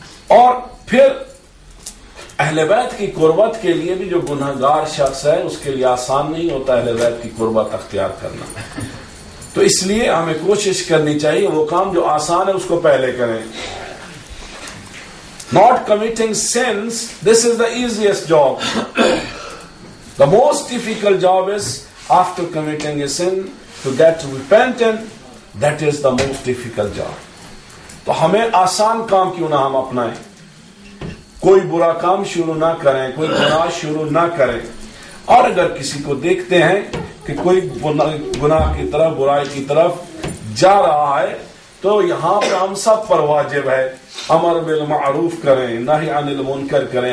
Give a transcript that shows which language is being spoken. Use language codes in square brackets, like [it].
[hi] और फिर अहले बैत की कुर्बत के लिए भी जो गुनाहगार शख्स है उसके लिए आसान नहीं होता अहले बैत की कुर्बत अख्तियार करना। तो इसलिए हमें कोशिश करनी चाहिए वो काम जो आसान है उसको पहले करें। [en] Not committing sins, this is the easiest job. The most difficult job is after committing a sin to get repentant. That is the most difficult job. [hi] तो हमें आसान काम क्यों ना हम अपनाएं? कोई बुरा काम शुरू ना करें, कोई गुनाह शुरू ना करें। और अगर किसी को देखते हैं कि कोई गुनाह की तरफ, बुराई की तरफ जा रहा है, तो यहाँ पर हम सब पर वाजिब है अमर बिल मारूफ करें, नहीं अनिल मुनकर करें।